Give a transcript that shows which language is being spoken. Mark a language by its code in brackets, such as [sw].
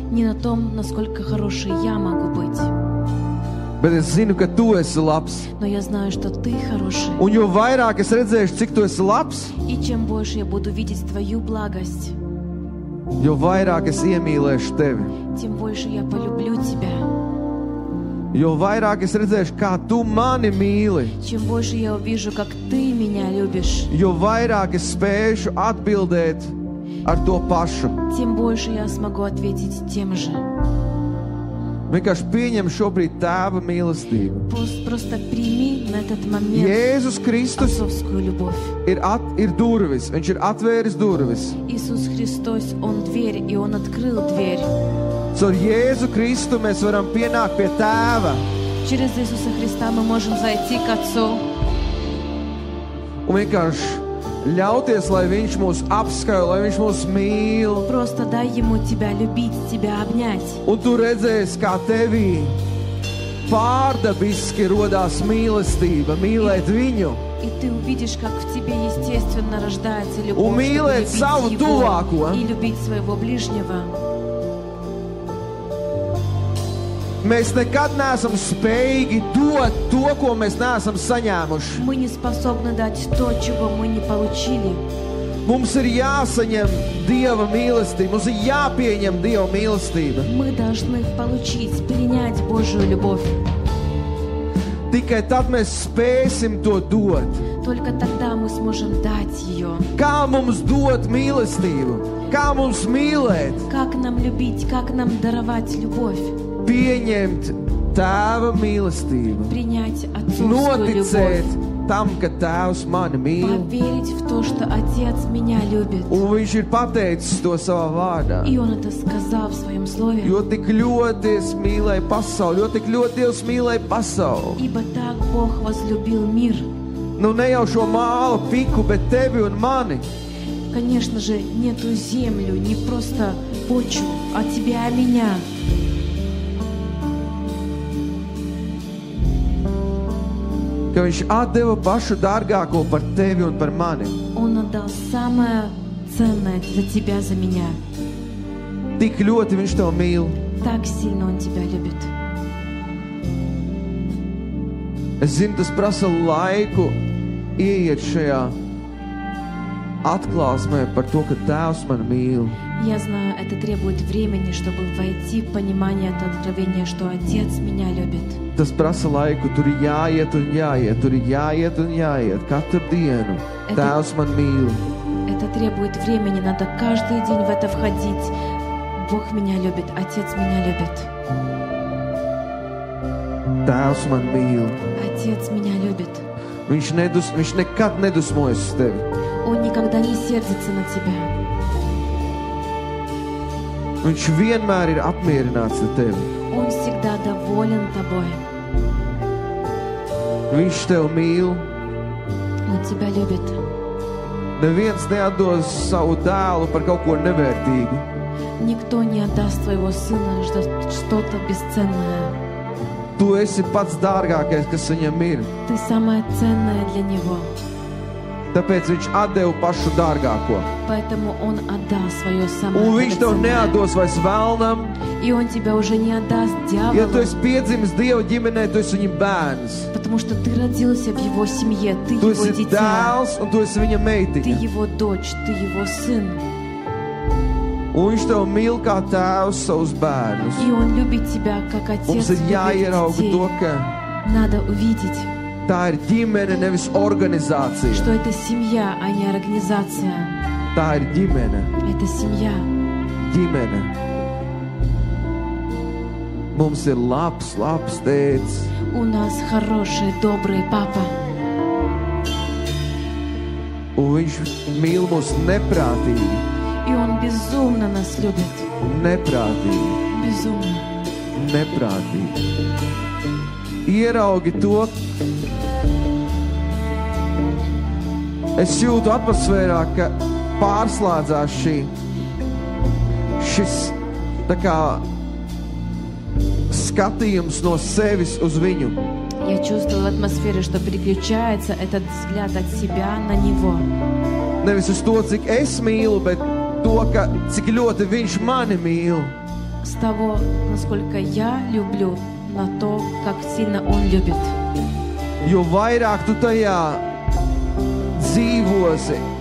[ru] Не на том, насколько хороший я могу быть. [lv] Bet es zinu, ka tu esi labs. [ru] Но я знаю, что ты хороший. [lv] Un jo vairāk es redzēšu, cik tu esi labs. [ru] И чем больше я буду видеть твою благость. [lv] Jo vairāk es iemīlēšu tevi. [ru] Тем больше я полюблю тебя. [lv] Jo vairāk es redzēšu, kā tu mani mīli. [ru] Чем больше я увижу, как ты меня любишь. [lv] Jo vairāk es spēšu atbildēt ar to pašu. [ru] Тем больше я смогу ответить тем же. [lv] Vienkārši pieņem šobrīd tēva mīlestību. [ru] Просто прими на этот момент. [lv] Jēzus Kristus ir durvis, viņš ir atvēris durvis. [ru] Иисус Христос, он дверь, и он открыл дверь. [lv] Caur Jēzu Kristu mēs varam pienākt pie Tēva. [ru] Через Иисуса Христа мы можем зайти к Отцу. [lv] Un vienkārši ļauties, lai Viņš mūs apskauj, lai Viņš mūs mīl. [ru] Просто дай ему тебя любить, тебя обнять. [lv] Un tu redzēsi, kā tevī pārdabiski rodās mīlestība, mīlēt Viņu. [ru] И ты увидишь, как в тебе естественно рождается любовь. [lv] Un mīlēt savu tuvāko. [ru] И любить своего ближнего. [lv] Mēs nekad neesam spējīgi dot to, ko mēs neesam saņēmuši. [ru] Мы не способны дать то, чего мы не получили. [lv] Mums ir jāsaņem Dieva mīlestība, mums ir jāpieņem Dieva mīlestība. [ru] Мы должны получить, принять Божию любовь. [lv] Tikai tad mēs spēsim то dot. [ru] Только тогда мы сможем дать её. [lv] Kā mums dot mīlestību? Kā mums mīlēt? [ru] Как нам любить, как нам даровать любовь? [lv] Pieņemt tēva mīlestību. [ru] Принять отцовскую любовь. [lv] Noticēt tam, ka tēvs mani mīl. [ru] Поверить в то, что отец меня любит. [lv] Un viņš ir pateicis to savā vārdā. [ru] И он это сказал в своем слове. [lv] Jo tik ļoti es mīlēju pasauli, jo tik ļoti Dievs mīlēja pasauli. [ru] Ибо так Бог возлюбил мир. [lv] Nu ne jau šo mālu piku, bet tevi un mani. [ru] Конечно же, не ту землю, не просто почву, а тебя и меня. [lv] Ka viņš atdeva pašu dārgāko par tevi un par mani. [ru] Он отдал самое ценное за тебя, за меня. [lv] Tik ļoti viņš tev mīl. [ru] Так сильно он тебя любит. [lv] Es zinu, tas prasa laiku ieiet šajā atklāsmē par to, ka tēvs mani mīl. [ru] Я знаю, это требует времени, чтобы войти в понимание это откровение, что отец меня любит. [lv] Tas prasa laiku, tur ir jāiet un jāiet, tur ir jāiet un jāiet katru dienu. Tēvs man mīl. [ru] Это требует времени, надо каждый день в это входить. Бог меня любит, отец меня любит. [lv] Tēvs man mīl. [ru] Отец меня любит. [lv] Viņš nekad nedusmojas uz tevi. [ru] Он никогда не сердится на тебя. [lv] Viņš vienmēr ir apmierināts ar tevi. [ru] Он всегда доволен тобой. [lv] Viņš tev mīl. [ru] Он тебя любит. [lv] Neviens neatdos savu dēlu par kaut ko nevērtīgu. [ru] Никто не отдаст твоего сына за что-то бесценное. [lv] Tu esi pats dārgākais, kas viņam ir. [ru] Ты самое ценное для него. [lv] Tāpēc viņš atdev pašu dārgāko. [ru] Поэтому он отдал своё самое. [lv] Un viņš tev neatdos vairs velnam. [ru] И он тебя уже не отдаст дьяволу. [lv] Ja tu esi piedzimis Dieva ģimenē, tu esi viņa bērns. [ru] Потому что ты родился в его семье, ты его дитя. [lv] Tu esi dēls, un tu esi viņa meitiņa. [ru] Ты его дочь, ты его сын. [lv] Un viņš tev mīl kā tēvs savus bērnus. [ru] И он любит тебя как отец. [lv] Mums ir jāierauga to, ka [ru] надо увидеть. [lv] Tā ir ģimene, nevis organizācija. [ru] Что это семья, а не организация. [lv] Tā ir ģimene. [ru] Это семья. [lv] Ģimene. Mums ir labs, labs tēts. [ru] У нас хороший, добрый папа. [lv] Un viņš mīl mūs neprātīgi. [ru] И он безумно нас любит. [lv] Neprātīgi. [ru] Безумно. [lv] Neprātīgi. Ieraugi to. Es jūtu atmosfērā, ka pārslādzās šī. Šis, tā kā, skatījums no sevis uz viņu. [ru] Я чувствую в атмосфере, что переключается этот взгляд от себя на него. [lv] Не visu to, cik es mīlu, bet to, ka, cik ļoti viņš mani mīl. [ru] С того, насколько я люблю, на то, как сильно он любит. [lv] Jo vairāk tu tajā dzīvosi.